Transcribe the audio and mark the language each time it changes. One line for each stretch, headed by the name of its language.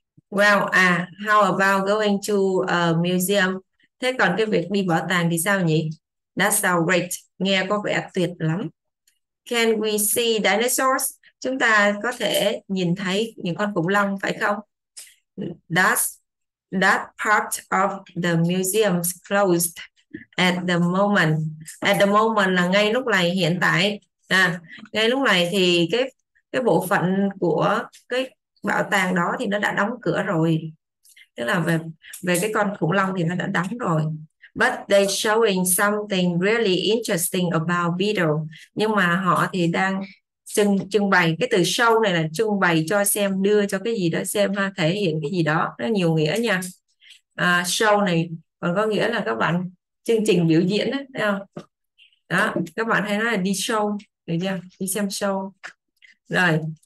English: Well, how about going to a museum?
Vietnamese: Thế còn cái việc đi bảo tàng thì sao nhỉ?
English: That sounds great.
Vietnamese: Nghe có vẻ tuyệt lắm.
English: Can we see dinosaurs?
Vietnamese: Chúng ta có thể nhìn thấy những con khủng long, phải không?
English: That's that part of the museum's closed at the moment.
Vietnamese: At the moment là ngay lúc này, hiện tại. À, ngay lúc này thì cái bộ phận của cái bảo tàng đó thì nó đã đóng cửa rồi. Tức là về cái con khủng long thì nó đã đóng rồi.
English: But they showing something really interesting about beetle.
Vietnamese: Nhưng mà họ thì đang trưng bày, cái từ show này là trưng bày cho xem, đưa cho cái gì đó xem ha, thể hiện cái gì đó. Nó nhiều nghĩa nha. À, show này còn có nghĩa là các bạn chương trình biểu diễn đó, thấy không? Đó, các bạn hay nói là đi show, được chưa? Đi xem show. Rồi.